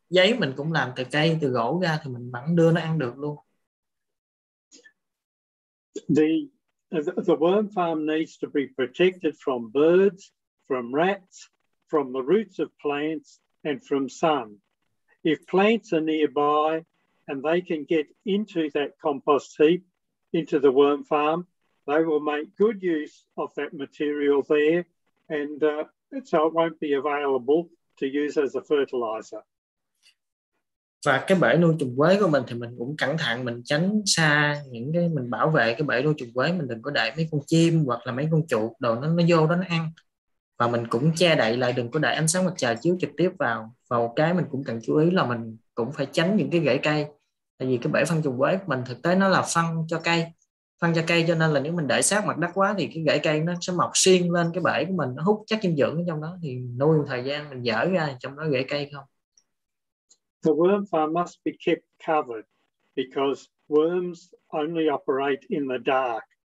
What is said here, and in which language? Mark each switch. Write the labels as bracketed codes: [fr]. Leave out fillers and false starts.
[vi] Giấy mình cũng làm từ cây, từ gỗ ra thì mình vẫn đưa nó ăn được luôn. [en] The worm farm needs to be protected from birds, from rats, from the roots of plants, and from sun. If plants are nearby and they can get into that compost heap, into the worm farm, they will make good use of that material there, and so it won't be available to use as a fertilizer. [vi] Và cái bể nuôi trùng quế của mình thì mình cũng cẩn thận, mình tránh xa những cái, mình bảo vệ cái bể nuôi trùng quế, mình đừng có để mấy con chim hoặc là mấy con chuột đồ nó vô đó nó ăn. Và mình cũng che đậy lại, đừng có để ánh sáng mặt trời chiếu trực tiếp vào. Và một cái mình cũng cần chú ý là mình cũng phải tránh những cái rễ cây, tại vì cái bể phân trùng quế của mình thực tế nó là phân cho cây, cho nên là nếu mình để sát mặt đất quá thì cái rễ cây nó sẽ mọc xuyên lên cái bể của mình, nó hút chất dinh dưỡng ở trong đó, thì nuôi một thời gian mình dở ra trong đó rễ cây không. [en] The worm farm must be kept covered because worms only operate in the dark.